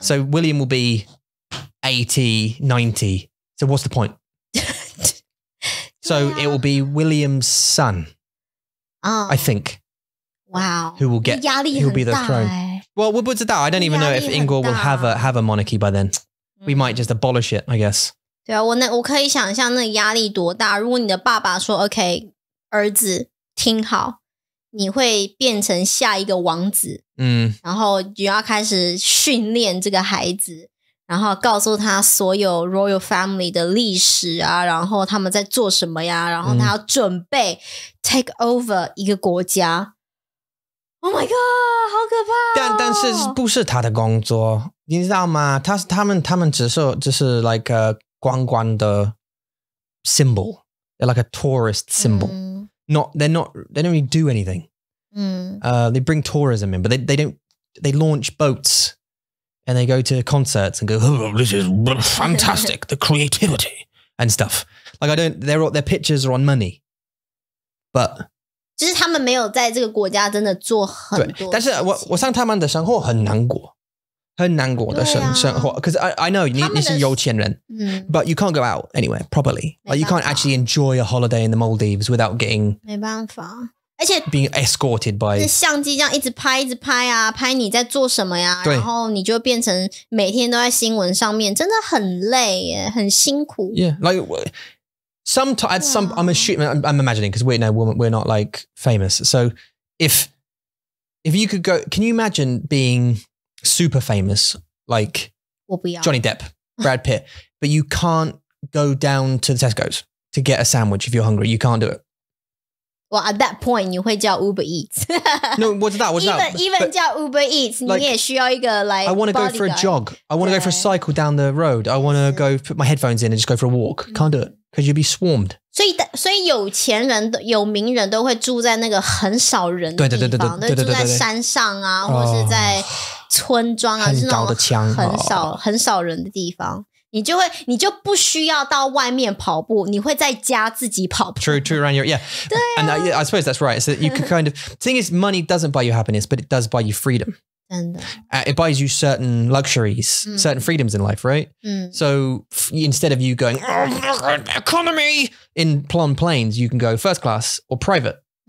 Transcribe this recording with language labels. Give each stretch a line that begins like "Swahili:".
English: So William will be 80, 90. So what's the point?
Chinese: 对啊。
English: So it will be William's son, I think. Wow. Who will get,
Chinese: 压力很大,
English: he'll be the throne. Well, we'll put it down. I don't even know if Ingor will have a monarchy by then. We might just abolish it, I guess.
Chinese: 对啊，我可以想象那个压力多大。如果你的爸爸说 OK, 儿子听好，你会变成下一个王子。嗯，然后你要开始训练这个孩子，然后告诉他所有
English: royal family
Chinese: 的历史啊，然后他们在做什么呀，然后他要准备
English: take over
Chinese: 一个国家。
English: Oh my god,
Chinese: 好可怕哦。但是不是他的工作你知道吗他们只是 like a 观光的 symbol,
English: they're like a tourist symbol.、
Chinese: Mm.
English: They don't really do anything.、 Mm. They bring tourism in, but they launch boats and they go to concerts and go, oh, this is fantastic, the creativity and stuff. Like their pictures are on money, but...
Chinese: 就是他们没有在这个国家真的做很多事情。但是我上他们的生活很难过。很难过的生活。
English: Because I know,
Chinese: 你是有钱人。
English: But you can't go out anywhere, properly. Like, you can't actually enjoy a holiday in the Maldives without getting...
Chinese: 没办法。而且
English: being escorted by...
Chinese: 就是相机这样一直拍一直拍啊拍你在做什么呀然后你就变成每天都在新闻上面真的很累耶很辛苦。
English: Yeah, like... I'm imagining because we're not like famous. So if you could go, can you imagine being super famous like Johnny Depp, Brad Pitt, but you can't go down to the Tesco's to get a sandwich if you're hungry? You can't do it. Well, at that point,
Chinese: 你会叫
English: Uber Eats.
Chinese: No, 我知道，我知道。 Even 叫 Uber Eats, 你也需要一个 like
English: I want to go for a jog. I want to go for a cycle down the road. I want to go put my headphones in and just go for a walk. Can't do it, because you'd be swarmed.
Chinese: 所以有钱人、有名人都会住在那个很少人的地方，对对对对对，住在山上啊，或是在村庄啊，是那种很少人的地方。你就不需要到外面跑步，你会在家自己跑步。
English: True, true, around your, yeah.
Chinese: 对啊。
English: And I suppose that's right. So you could kind of, thing is, money doesn't buy you happiness, but it does buy you freedom.
Chinese: 真的。
English: It buys you certain luxuries, certain freedoms in life, right? So instead of you going, economy, in planes, you can go first class or private.